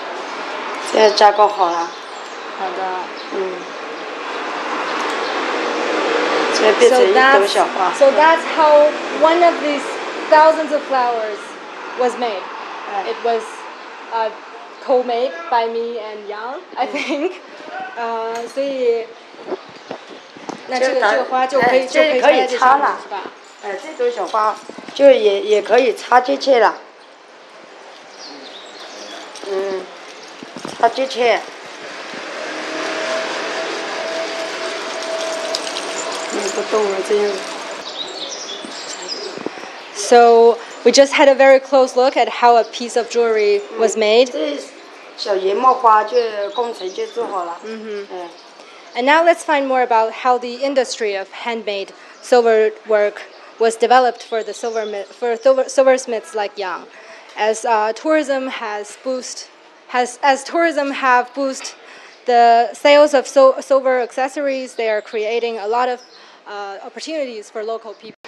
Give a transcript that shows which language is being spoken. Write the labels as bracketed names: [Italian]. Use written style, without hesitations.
[Chinese] 把它拆进去，又打开，又拆进去。这样就好了。这样加工好了。好的。 [English] So that's how one of these thousands of flowers was made. It was co-made by me and Yang, I think. So, [Chinese] 那这个花就可以插进去了，是吧？哎，这朵小花就也可以插进去了。插进去。 [English] So we just had a very close look at how a piece of jewelry was made. [Chinese] 这小银帽花就工程就做好了。 [English] And now let's find more about how the industry of handmade silver work was developed for the silversmiths like Yang. As tourism have boosted the sales of silver accessories, they are creating a lot of opportunities for local people.